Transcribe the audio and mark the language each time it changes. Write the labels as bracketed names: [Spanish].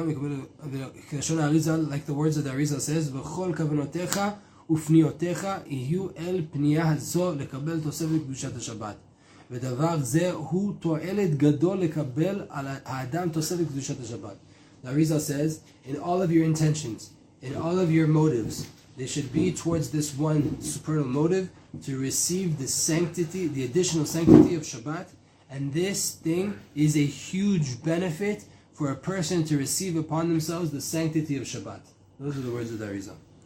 [English] Like the words that the Arizal says, [Hebrew] v'chol kavanotecha, ופניותיך יהיו אל פנייה הזו לקבל תוספת קדושת השבת. ודבר זה הוא תועלת גדול לקבל על האדם תוספת קדושת השבת. [English] The Arizal says, in all of your intentions, in all of your motives, they should be towards this one supernal motive to receive the sanctity, the additional sanctity of Shabbat. And this thing is a huge benefit for a person to receive upon themselves the sanctity of Shabbat. Those are the words of the Arizal.